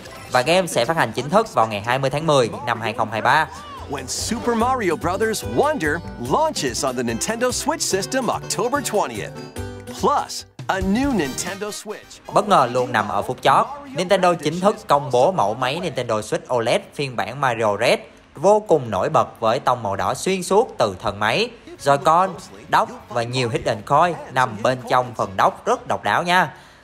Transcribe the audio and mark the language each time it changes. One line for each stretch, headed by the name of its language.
Vietnamese: Và game sẽ phát hành chính thức vào ngày 20 tháng 10 năm 2023.
English: When Super Mario Bros. Wonder launches on the Nintendo Switch system October 20th. Plus a new Nintendo Switch.
Vietnamese: Bất ngờ luôn nằm ở phút chót, Nintendo chính thức công bố mẫu máy Nintendo Switch OLED phiên bản Mario Red, vô cùng nổi bật với tông màu đỏ xuyên suốt từ thân máy, Joy-Con, dock và nhiều hidden coin nằm bên trong phần dock rất độc đáo nha.